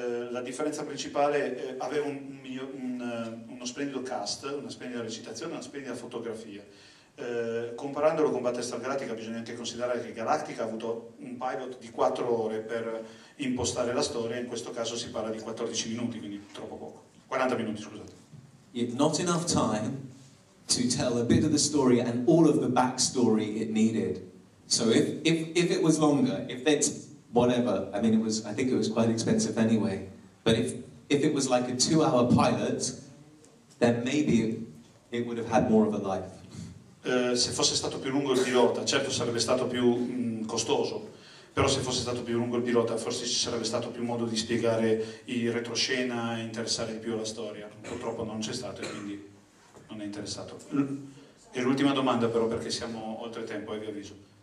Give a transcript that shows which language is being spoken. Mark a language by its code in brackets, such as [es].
[it] La differenza principale aveva uno splendido cast, una splendida recitazione, una splendida fotografia. Comparandolo con Battlestar Galactica bisogna anche considerare che Galactica ha avuto un pilot di 4 ore per impostare la storia, in questo caso si parla di 14 minuti, quindi troppo poco. 40 minuti, scusate. [en] Not enough time to tell a bit of the story and all of the backstory it needed. So if it was longer, if it's whatever, I mean, I think it was quite expensive anyway, but if it was like a 2-hour pilot, then maybe it would have had more of a life. [it] Se fosse stato più lungo il pilota, certo sarebbe stato più costoso, però se fosse stato più lungo il pilota, forse ci sarebbe stato più modo di spiegare il retroscena e interessare di più alla storia. Purtroppo non c'è stato, e quindi non è interessato. E l'ultima domanda, però, perché siamo oltre tempo, vi avviso.